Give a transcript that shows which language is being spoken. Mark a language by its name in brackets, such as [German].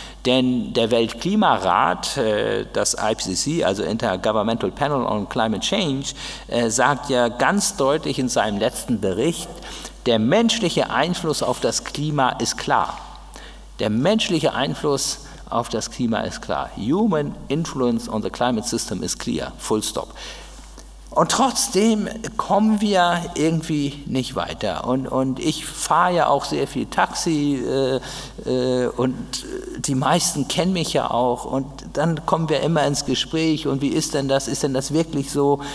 [German] Denn der Weltklimarat, das IPCC, also Intergovernmental Panel on Climate Change, sagt ja ganz deutlich in seinem letzten Bericht, der menschliche Einfluss auf das Klima ist klar. Der menschliche Einfluss auf das Klima ist klar. [English] Human influence on the climate system is clear. Full stop. [German] Und trotzdem kommen wir irgendwie nicht weiter. Und ich fahre ja auch sehr viel Taxi und die meisten kennen mich ja auch. Und dann kommen wir immer ins Gespräch und wie ist denn das? Ist denn das wirklich so?